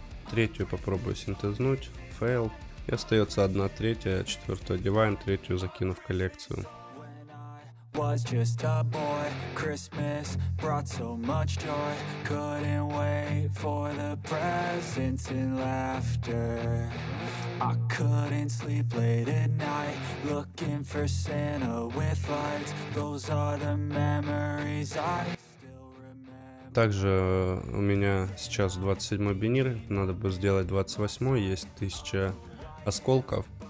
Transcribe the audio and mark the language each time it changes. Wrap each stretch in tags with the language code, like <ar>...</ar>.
<ru>Третью попробую синтезнуть. Фейл. И остается одна третья. Четвертую одеваем, третью закину в коллекцию.</ru> <en>Was just a boy, Christmas brought so much joy. Couldn't wait for the presents and laughter. I couldn't sleep late at night, looking for Santa with lights. Those are the memories I...</en> <ru>Также у меня сейчас 27 бенир, надо бы сделать 28, есть 1000 осколков.</ru>